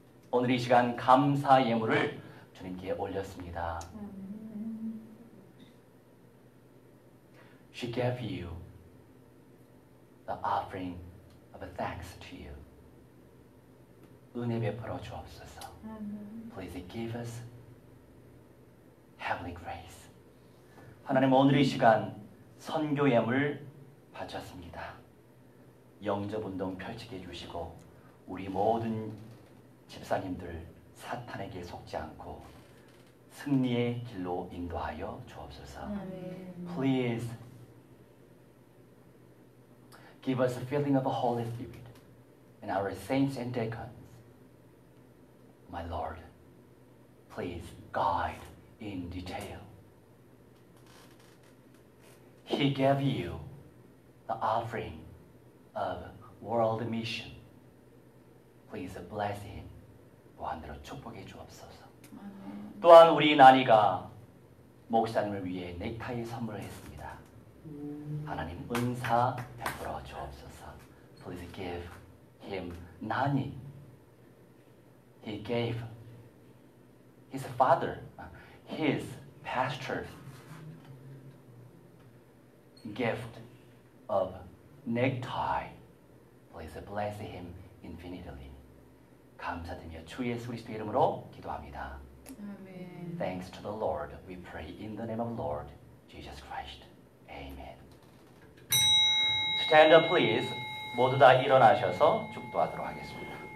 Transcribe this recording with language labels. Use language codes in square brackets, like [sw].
[ko] 오늘 이 시간 감사 예물을 주님께 올렸습니다. [en] She gave you the offering of thanks to you. [ko] 은혜 베풀어 주옵소서. [en] Please give us heavenly grace. [ko] 하나님 오늘 이 시간 선교 예물 바쳤습니다. 영접운동 펼치게 해주시고 우리 모든 집사님들 사탄에게 속지 않고 승리의 길로 인도하여 주옵소서. 아멘. [en] Please give us a feeling of the Holy Spirit and our saints and deacons. My Lord, please guide in detail. He gave you the offering of world mission. Please bless him. [ko] 보안대로 축복해 주옵소서. 또한 우리 나니가 목사님을 위해 넥타이 선물을 했습니다. 하나님 은사 베풀어 주옵소서. [en] Please give him Nani. He gave his father, his pastor's gift of necktie. Please bless him infinitely. [ko] 감사드리며 주 예수 그리스도 이름으로 기도합니다. [en] Amen. Thanks to the Lord, we pray in the name of the Lord Jesus Christ. Amen. Stand up, please. [ko] 모두 다 일어나셔서 축도하도록 하겠습니다.